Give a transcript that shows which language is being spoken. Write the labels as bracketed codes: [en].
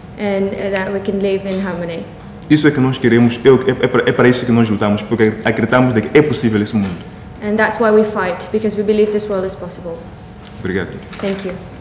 [en] And that we can live in harmony. [pt] Isso é que nós queremos, é para isso que nós lutamos, porque acreditamos de que é possível esse mundo. [en] And that's why we fight, because we believe this world is possible. [pt] Obrigado. [en] Thank you.